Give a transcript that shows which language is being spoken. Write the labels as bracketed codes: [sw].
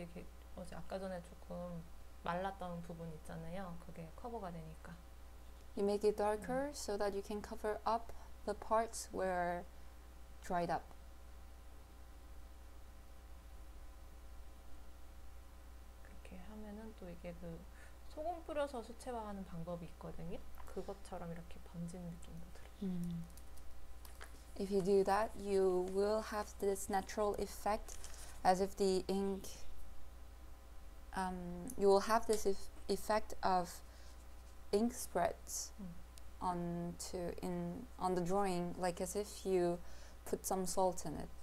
[ko] 이게, 어제, 아까 전에 조금 말랐던 부분 있잖아요. 그게 커버가 되니까. [en] You make it darker mm. so that you can cover up the parts where dried up. [ko] 그렇게 하면은 또 이게 그 소금 뿌려서 수채화하는 방법이 있거든요. 그것처럼 이렇게 번지는 느낌도 들어요. Mm. [en] If you do that, you will have this natural effect as if the ink, you will have this effect of ink spreads on the drawing, like as if you put some salt in it.